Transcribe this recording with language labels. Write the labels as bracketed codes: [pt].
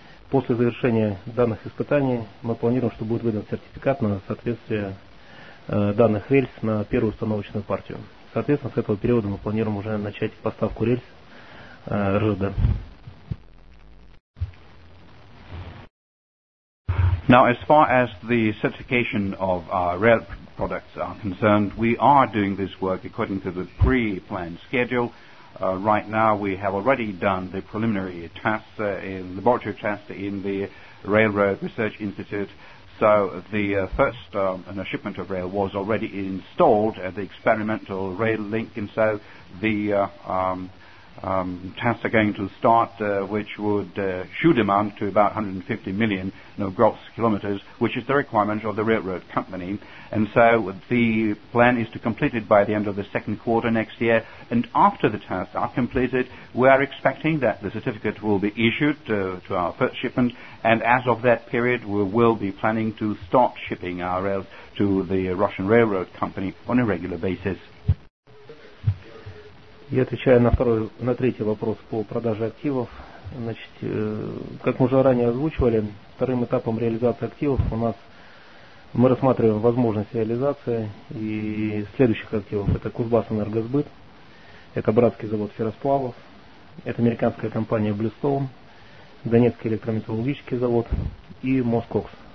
[ru] После завершения данных испытаний мы планируем, что будет выдан сертификат на соответствие данных рельс на первую установочную партию. Соответственно, с этого периода мы планируем уже начать поставку рельс РЖД. [en] Now, as far as the certification of rail products are concerned, we are doing this work according to the pre-planned schedule. Right now, we have already done the preliminary tests, laboratory tests in the Railroad Research Institute. So the first shipment of rail was already installed at the experimental rail link, and so the tasks are going to start, which would should amount to about 150 million gross kilometers, which is the requirement of the railroad company. And so the plan is to complete it by the end of the second quarter next year. And after the tasks are completed, we are expecting that the certificate will be issued to our first shipment. And as of that period, we will be planning to start shipping our rails to the Russian railroad company on a regular basis. [ru] Я отвечаю на второй, на третий вопрос по продаже активов. Значит, как мы уже ранее озвучивали, вторым этапом реализации активов у нас мы рассматриваем возможность реализации и следующих активов. Это Кузбасс-энергосбыт, это братский завод ферросплавов, это американская компания Bluestone, Донецкий электрометаллургический завод и Москокс.